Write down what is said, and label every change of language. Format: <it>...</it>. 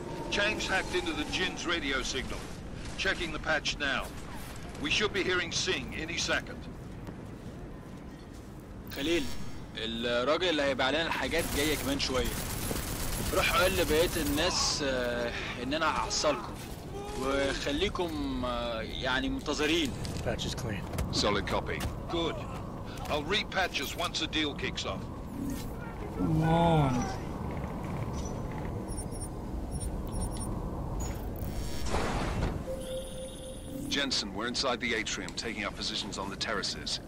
<en>Chang's hacked into the Jin's radio signal. Checking the patch now. We should be hearing Sing any second.</en> <ar>Khalil, الراجل اللي هيبقى علينا الحاجات جاي كمان شوية. روح قول لبقية الناس إن أنا هعصلكم وخليكم يعني منتظرين.</ar> <en>Patch is clean. Solid copy. Good. I'll repatch us once the deal kicks off. Come on. Jensen, we're inside the atrium, taking our positions on the terraces.</en>